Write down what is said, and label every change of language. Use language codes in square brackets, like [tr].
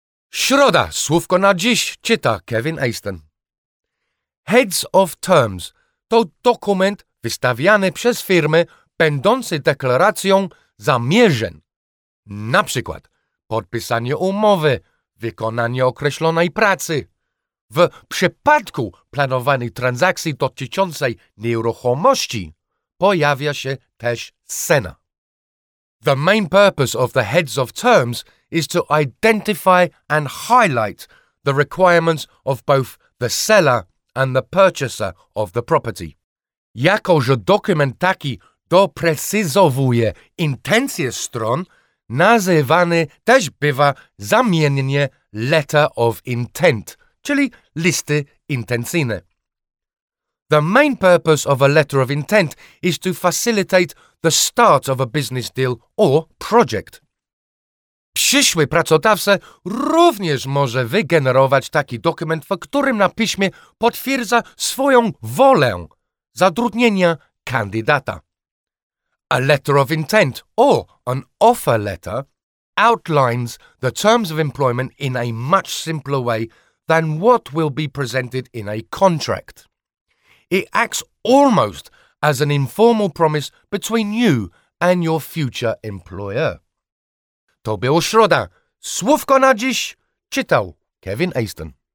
[pl] Środa, słówko na dziś, czyta Kevin Aston. Heads of Terms to dokument wystawiany przez firmy będący deklaracją zamierzeń. Na przykład podpisanie umowy, wykonanie określonej pracy. W przypadku planowanej transakcji dotyczącej nieruchomości pojawia się też cena. [en] The main purpose of the Heads of Terms is to identify and highlight the requirements of both the seller and the purchaser of the property. [pl] Jako że dokument taki doprecyzowuje intencje stron, nazywany też bywa zamiennie letter of intent, czyli listy intencyjne. [en] The main purpose of a letter of intent is to facilitate the start of a business deal or project. [pl] Przyszły pracodawca również może wygenerować taki dokument, w którym na piśmie potwierdza swoją wolę zatrudnienia kandydata. [en] A letter of intent or an offer letter outlines the terms of employment in a much simpler way than what will be presented in a contract. It acts almost as an informal promise between you and your future employer. [pl] To było środa. Słówko na dziś czytał Kevin Aston.